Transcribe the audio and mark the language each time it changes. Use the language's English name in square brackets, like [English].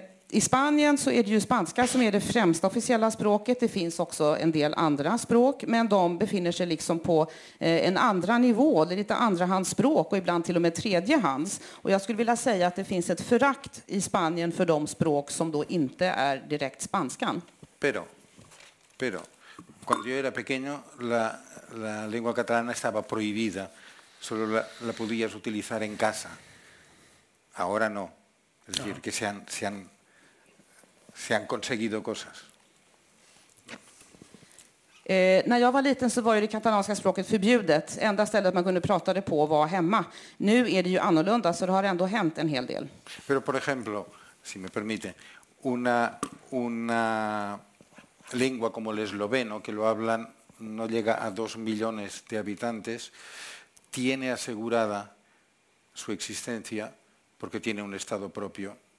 [Swedish] I Spanien så är det ju spanska som är det främsta officiella språket. Det finns också en del andra språk, men de befinner sig liksom på en andra nivå, lite andrahandsspråk och ibland till och med tredjehands. Och jag skulle vilja säga att det finns ett förakt i Spanien för de språk som då inte är direkt spanskan. [Spanish] Pero cuando yo era pequeño la lengua catalana estaba prohibida. Solo la podías utilizar en casa. Ahora no. Es decir, que se han conseguido cosas. [Swedish] När jag var liten så var ju det katalanska språket förbjudet. Enda stället man kunde prata det på var hemma. Nu är det ju annorlunda så det har ändå hänt en hel del. [Spanish] Pero por ejemplo, si me permite, una lengua como el esloveno que lo hablan no llega a 2 millones de habitantes tiene asegurada su existencia porque tiene un estado propio.